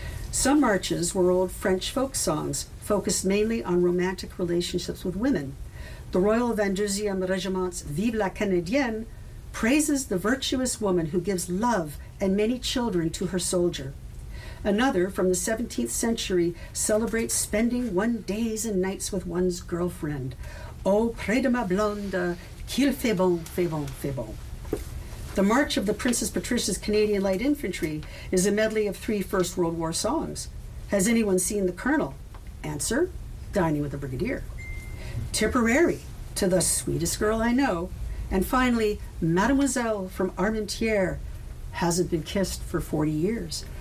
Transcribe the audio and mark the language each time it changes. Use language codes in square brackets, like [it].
[en] Some marches were old French folk songs, focused mainly on romantic relationships with women. The Royal Van Dusium Regiment's Vive la Canadienne praises the virtuous woman who gives love and many children to her soldier. Another from the 17th century celebrates spending one days and nights with one's girlfriend. [fr] "Oh, près de ma blonde, qu'il fait bon, fait bon, fait bon." [en] The March of the Princess Patricia's Canadian Light Infantry is a medley of 3 First World War songs. "Has anyone seen the colonel?" Answer, "Dining with a brigadier." "Tipperary, to the sweetest girl I know." And finally, "Mademoiselle from Armentières hasn't been kissed for 40 years.